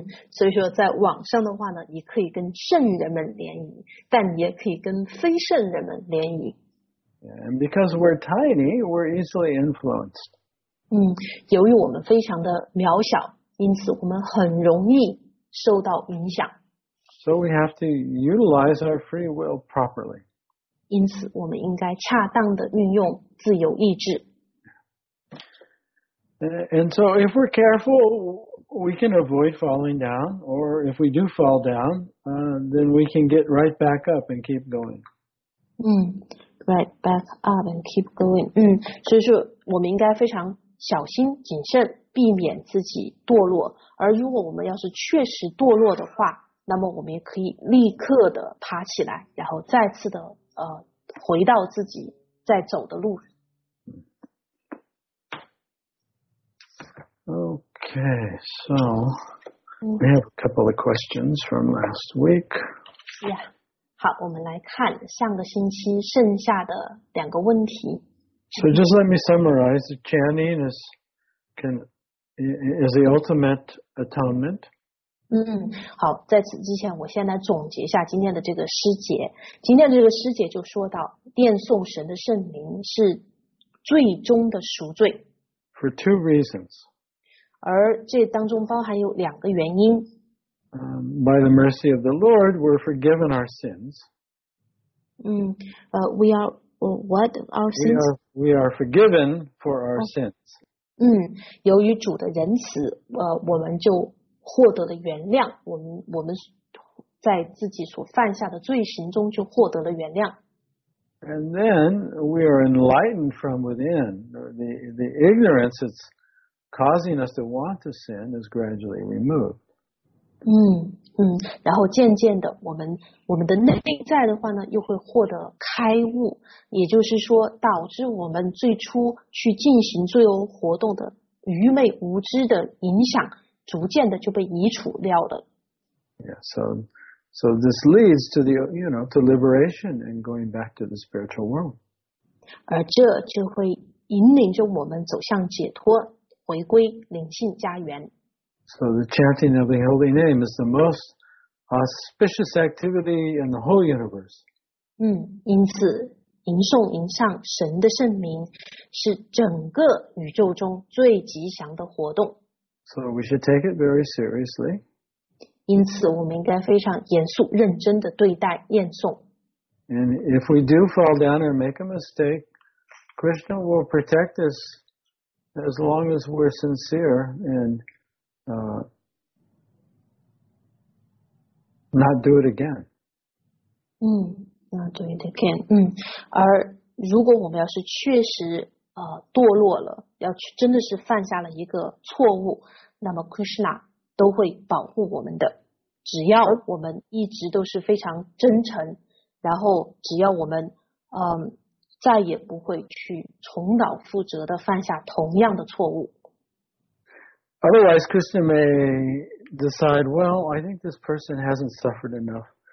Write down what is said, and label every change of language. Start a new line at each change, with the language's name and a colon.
Chinese: 所以说在网上的话呢，你可以跟圣人们联谊，但也可以跟非圣人们联谊。
English: And because we're tiny, we're easily influenced. 由于我们非常的渺小，因此我们很容易受到影响。 So we have to utilize our free will properly. 因此我们应该恰当的运用自由意志。 And so if we're careful, we can avoid falling down, or if we do fall down, then we can get right back up and keep going. Right back up and keep going.
Chinese: 所以说我们应该非常小心谨慎，避免自己堕落。而如果我们要是确实堕落的话，那么我们也可以立刻的爬起来，然后再次的回到自己在走的路。
English: Okay, so we have a couple of questions from last week. Yeah.
Chinese: 好，我们来看上个星期剩下的两个问题。
English: So just let me summarize. Chanting is the ultimate atonement.
Chinese: 好，在此之前，我先来总结一下今天的这个诗节。今天的这个诗节就说到，念诵神的圣名是最终的赎罪。
English: For two reasons.
Chinese: 而这当中包含有两个原因。
English: By the mercy of the Lord, we're forgiven our sins. We are what our sins? We are forgiven for our sins.
Chinese: 由于主的仁慈，我们就获得了原谅。我们在自己所犯下的罪行中就获得了原谅。
English: And then we are enlightened from within. The ignorance is. Causing us to want to sin is gradually removed.
Chinese: 然后渐渐的我们的内在的话呢又会获得开悟，也就是说导致我们最初去进行罪恶活动的愚昧无知的影响逐渐的就被移除掉了。
English: Yeah, so this leads to the, you know, to liberation and going back to the spiritual world.
Chinese: 而这就会引领着我们走向解脱。回归灵性家园。
English: So the chanting of the holy name is the most auspicious activity in the whole universe.
Chinese: 因此吟诵吟唱神的圣名是整个宇宙中最吉祥的活动。
English: So we should take it very seriously.
Chinese: 因此我们应该非常严肃认真的对待念诵。
English: And if we do fall down or make a mistake, Krishna will protect us. As long as we're sincere and not do it again. Not do it again.
Chinese: 而如果我们要是确实堕落了，要真的是犯下了一个错误，那么 Krishna 都会保护我们的。只要我们一直都是非常真诚，然后只要我们再也不会去重蹈覆辙的犯下同样的错误。
English: Otherwise, Krishna may decide, well, I think this person hasn't suffered enough.